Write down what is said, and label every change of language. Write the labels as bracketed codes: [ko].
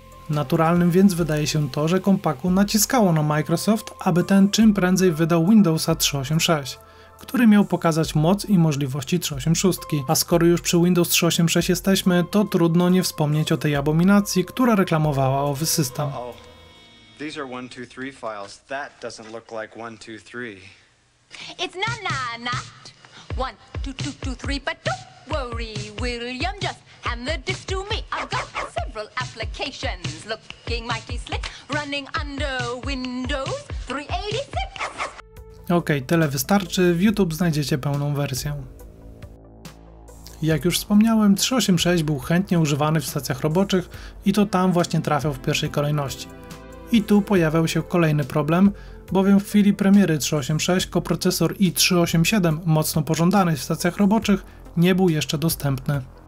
[pl] Naturalnym więc wydaje się to, że Compaq naciskało na Microsoft, aby ten czym prędzej wydał Windowsa 386, który miał pokazać moc i możliwości 386. A skoro już przy Windows 386 jesteśmy, to trudno nie wspomnieć o tej abominacji, która reklamowała owy system. [en] These are 123 files. That doesn't look like 123. It's na na not 1 2 2 2 3, but don't worry, William, just hand the disk to me. I've got several applications looking mighty slick, running under Windows 386. [pl] Okej, tyle wystarczy. W YouTube znajdziecie pełną wersję. Jak już wspomniałem, 386 był chętnie używany w stacjach roboczych i to tam właśnie trafiał w pierwszej kolejności. I tu pojawiał się kolejny problem, bowiem w chwili premiery 386 koprocesor i387, mocno pożądany w stacjach roboczych, nie był jeszcze dostępny.